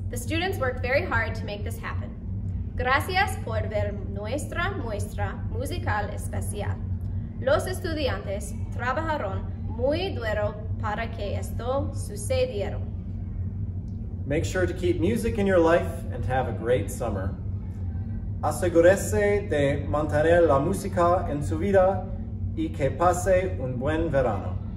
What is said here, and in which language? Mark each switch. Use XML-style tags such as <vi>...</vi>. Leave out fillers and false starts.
<en>The students worked very hard to make this happen.</en> <es>Gracias por ver nuestra muestra musical especial. Los estudiantes trabajaron muy duro para que esto sucediera.</es> <en>Make sure to keep music in your life and have a great summer.</en> <es>Asegúrese de mantener la música en su vida y que pase un buen verano.</es>